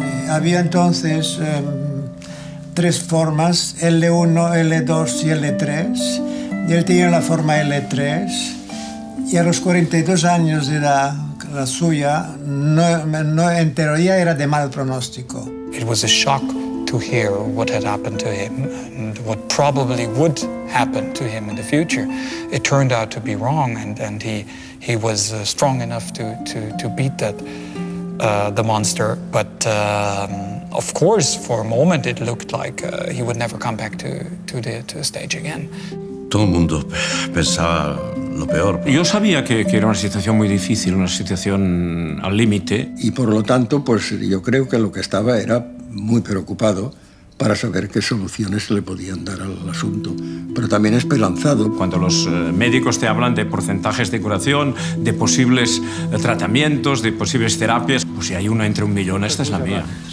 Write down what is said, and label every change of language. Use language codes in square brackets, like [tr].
[es] Había entonces 3 formas, L1, L2 y L3, y él tenía la forma L3, y a los 42 años de edad, la suya, no, en teoría era de mal pronóstico. [en] It was a shock to hear what had happened to him and what probably would happen to him in the future. It turned out to be wrong, and he was strong enough to beat that. the monster, but of course, for a moment, it looked like he would never come back to the stage again. [es] Todo el mundo pensaba lo peor. Yo sabía que era una situación muy difícil, una situación al límite. Y por lo tanto, pues yo creo que lo que estaba era muy preocupado para saber qué soluciones le podían dar al asunto, pero también esperanzado. Cuando los médicos te hablan de porcentajes de curación, de posibles tratamientos, de posibles terapias, pues si hay una entre un millón, esta es la mía.